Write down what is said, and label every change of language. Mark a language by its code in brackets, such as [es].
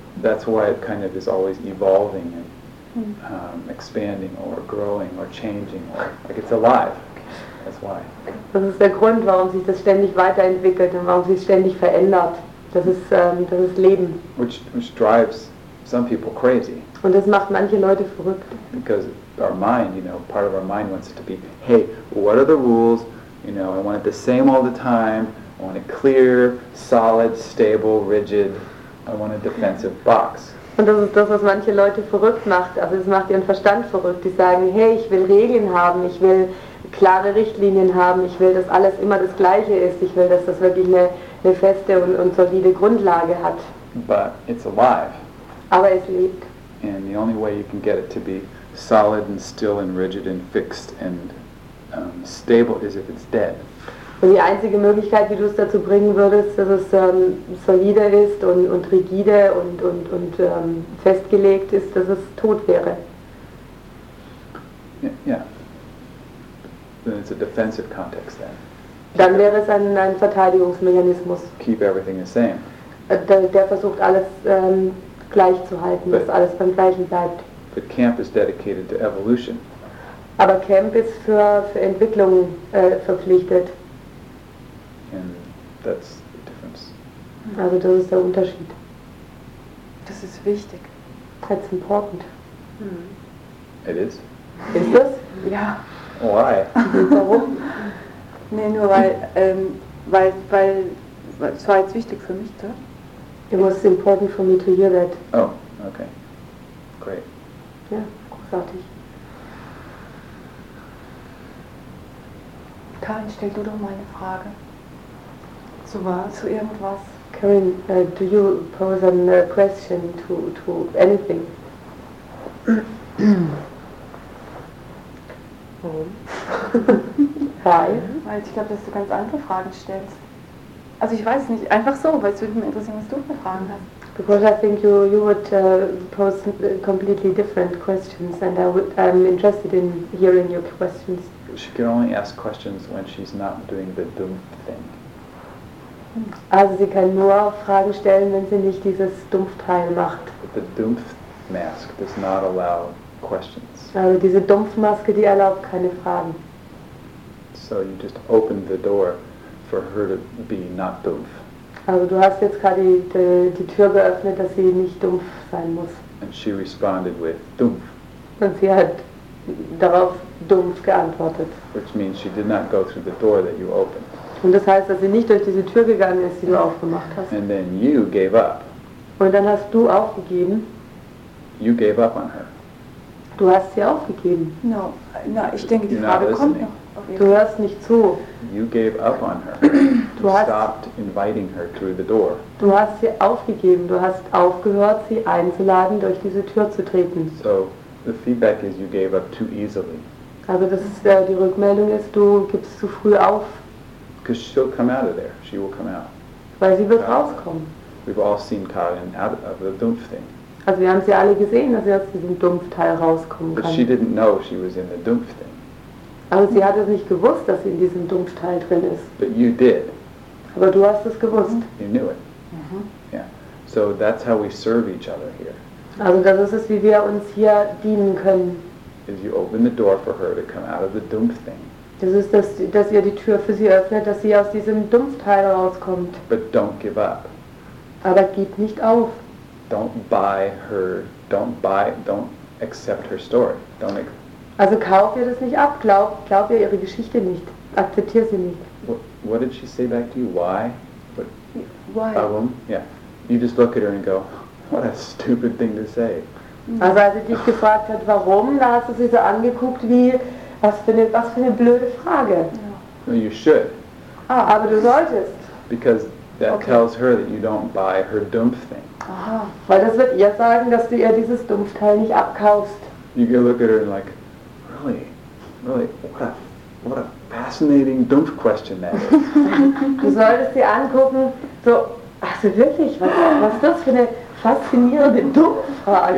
[en] That's why it kind of is always evolving and expanding or growing or changing. Or, like it's alive. That's why. [de] Das ist der Grund, warum sich das ständig weiterentwickelt und warum sich ständig verändert. Das ist Leben. [en] Which drives some people crazy. [de] Und das macht manche Leute verrückt. [en] Because our mind, you know, part of our mind wants it to be, hey, what are the rules? You know, I want it the same all the time. I want a clear, solid, stable, rigid. I want a defensive box. [de] Und das ist das, was manche Leute verrückt macht. Also es macht ihren Verstand verrückt. Die sagen, hey, ich will Regeln haben. Ich will klare Richtlinien haben. Ich will, dass alles immer das Gleiche ist. Ich will, dass das wirklich eine feste und solide Grundlage hat. [en] But it's alive. [de] Aber es lebt. [en] And the only way you can get it to be solid and still and rigid and fixed and stable is if it's dead. [de] Und die einzige Möglichkeit, wie du es dazu bringen würdest, dass es solider ist und rigide und festgelegt ist, dass es tot wäre. [en] Yeah. Then it's a defensive context then. [de] Dann wäre es ein Verteidigungsmechanismus. [en] Keep everything the same. [de] Der versucht alles gleich zu halten, dass alles beim Gleichen bleibt. [en] But Camp is dedicated to evolution. [de] Aber Camp ist für Entwicklung verpflichtet. [en] And that's the difference. [de] Also das ist der Unterschied. Das ist wichtig. [en] That's important. Mm. It is? [de] Ist das? Ja. [en] Why? [de] Warum? Nee, nur weil es war jetzt wichtig für mich, oder? [en] It was important for me to hear that. Oh, okay. Great. [de] Ja, großartig. Karin, stell du doch mal eine Frage. Zu was? Zu irgendwas. [en] Karin, do you pose a question to anything? [de] Warum? [en] Hi. [de] Weil ich glaube, dass du ganz andere Fragen stellst. Also ich weiß nicht, einfach so, weil es würde mich interessieren, was du für Fragen hast. [en] Because I think you would pose completely different questions, and I'm interested in hearing your questions. She can only ask questions when she's not doing the dumb thing. [de] Also sie kann nur Fragen stellen, wenn sie nicht dieses Dumpfteil macht. [en] The dumpf mask does not allow questions. [de] Also diese Dumpfmaske, die erlaubt keine Fragen. [en] So you just open the door for her to be not dumpf. [de] Also du hast jetzt gerade die Tür geöffnet, dass sie nicht dumpf sein muss. [en] And she responded with dumpf. [de] Und sie hat darauf dumpf geantwortet. [en] Which means she did not go through the door that you opened. [de] Und das heißt, dass sie nicht durch diese Tür gegangen ist, die du aufgemacht hast. [en] And then you gave up. [de] Und dann hast du aufgegeben. [en] You gave up on her. [de] Du hast sie aufgegeben. [en] No, [de] ich denke, die Frage kommt noch. Du hörst nicht zu. [en] You gave up on her. [de] Du hast, [en] stopped inviting her through the door. [de] Du hast sie aufgegeben. Du hast aufgehört, sie einzuladen, durch diese Tür zu treten. [en] So, the feedback is you gave up too easily. [de] Also das ist, die Rückmeldung ist, du gibst zu früh auf. [en] Because she'll come out of there. She will come out. [de] Weil sie wird rauskommen. [en] We've all seen Karin out of the dumpf thing. [de] Also wir haben sie alle gesehen, dass sie aus diesem Dumpfteil rauskommen [en] But [de] kann. [en] She didn't know she was in the dumpf thing. [de] Aber sie hat es nicht gewusst, dass sie in diesem Dumpfteil drin ist. [en] But you did. [de] Aber du hast es gewusst. [en] You knew it. Mm-hmm. Yeah. So that's how we serve each other here. [de] Also das ist es, wie wir uns hier dienen können. [en] Is you open the door for her to come out of the dumpf thing. [de] Das ist, dass ihr die Tür für sie öffnet, dass sie aus diesem Dumpfteil rauskommt. [en] But don't give up. [de] Aber gib nicht auf. [en] Don't buy her, don't accept her story. [de] Also kauf ihr das nicht ab, glaub ihr ihre Geschichte nicht. Akzeptier sie nicht. [en] What did she say back to you? Why? Why? [de] Warum? [en] Yeah. You just look at her and go, what a stupid thing to say. [de] Also als sie dich gefragt hat, warum, da hast du sie so angeguckt wie... Was für eine blöde Frage. Ja. [en] Well, you should. [de] Ah, aber du solltest. [en] Because that okay. tells her that you don't buy her Dumpfthing. [de] Aha, weil das wird ihr sagen, dass du ihr dieses Dumpfteil nicht abkaufst. [en] You can look at her and like, really, really, what a fascinating Dumpf question that is. [de] Du solltest sie angucken, so, also wirklich, was ist das für eine faszinierende Dumpffrage?